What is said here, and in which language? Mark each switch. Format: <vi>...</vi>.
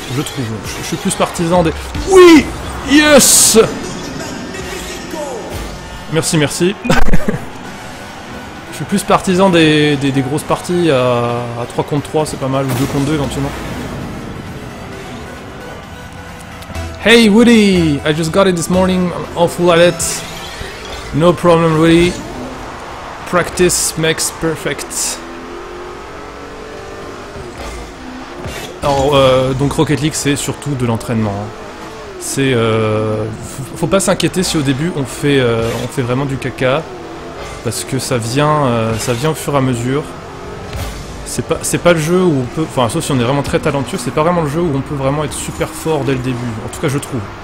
<fr>Je suis plus partisan des... Oui! Yes! Merci, merci. Je suis plus partisan des grosses parties à 3 contre 3, c'est pas mal, ou 2 contre 2 éventuellement.</fr> <en>Hey Woody, I just got it this morning, I'm awful at it. No problem Woody. Practice makes perfect.</en> <fr>Alors, donc Rocket League, c'est surtout de l'entraînement. C'est faut pas s'inquiéter si au début on fait vraiment du caca, parce que ça vient au fur et à mesure. C'est pas le jeu où on peut, enfin sauf si on est vraiment très talentueux, c'est pas vraiment le jeu où on peut vraiment être super fort dès le début. En tout cas, je trouve.</fr>